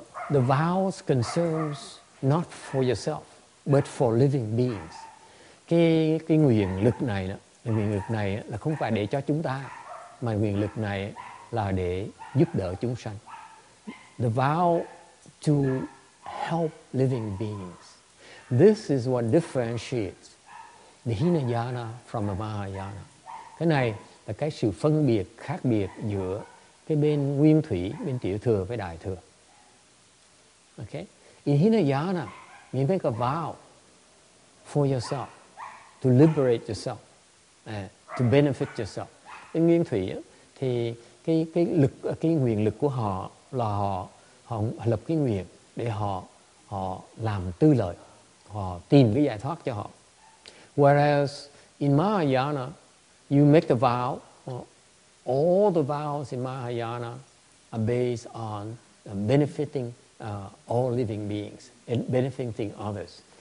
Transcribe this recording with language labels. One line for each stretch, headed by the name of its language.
English: The vows concerns not for yourself but for living beings.
Vietnamese: Cái nguyện lực này đó, nguyện lực này là không phải để cho chúng ta, mà nguyện lực này là để giúp đỡ chúng sanh.
English: The vow to help living beings. This is what differentiates the Hinayana from the Mahayana.
Vietnamese: Cái này là cái sự phân biệt, khác biệt giữa cái bên nguyên thủy, bên tiểu thừa với đại thừa. Okay?
English: In Hinayana, you make a vow for yourself to liberate yourself, to benefit yourself.
Vietnamese: In nguyên thủy thì cái nguyện lực của họ là họ lập cái nguyện để họ làm tư lợi, họ tìm cái giải thoát cho họ.
English: Whereas in Mahayana, you make the vow. All the vows in Mahayana are based on benefiting all living beings and benefiting others.